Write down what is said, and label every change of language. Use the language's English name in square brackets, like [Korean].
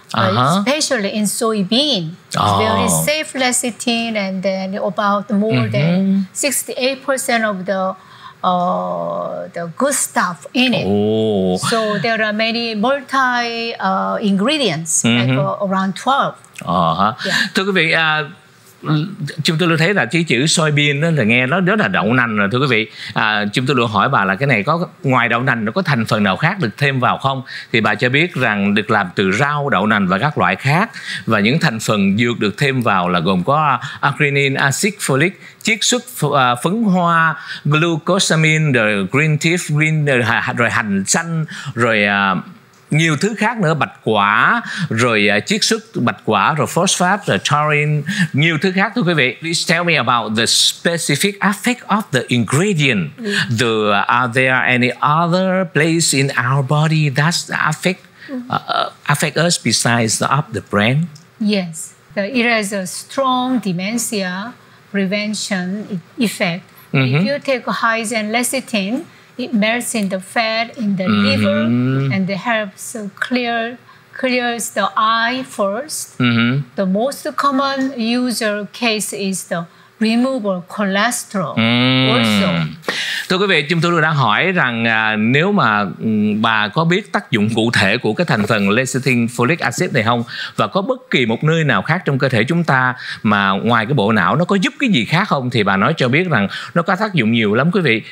[English] Especially in soybean, very safe lecithin, and then about more than 68% of the good stuff in it. Oh. So there are many multi ingredients, like around 12. [Vietnamese] Thưa quý vị, chúng tôi thấy là chữ soybean đó là nghe nó rất là đậu nành rồi thưa quý vị. Chúng tôi hỏi bà là cái này có ngoài đậu nành nó có thành phần nào khác được thêm vào không, thì bà cho biết rằng được làm từ rau, đậu nành và các loại khác, và những thành phần dược được thêm vào là gồm có arginine, acid folic, chiết xuất phấn hoa, glucosamine, rồi green tea, green rồi hành xanh, rồi nhiều thứ khác nữa, bạch quả, rồi chiết xuất bạch quả, rồi phosphate, rồi taurine, nhiều thứ khác thưa quý vị. [English] Please tell me about the specific effect of the ingredient. Are there any other place in our body that affect us besides the brain? Yes, it has a strong dementia prevention effect. If you take high-end lecithin, it melts in the fat in the liver and it helps clears the eye first. The most common user case is the removal of cholesterol also. [Vietnamese] Thưa quý vị, chúng tôi đã hỏi rằng nếu mà bà có biết tác dụng cụ thể của cái thành phần lecithin folic acid này không, và có bất kỳ một nơi nào khác trong cơ thể chúng ta mà ngoài cái bộ não nó có giúp cái gì khác không, thì bà nói cho biết rằng nó có tác dụng nhiều lắm quý vị.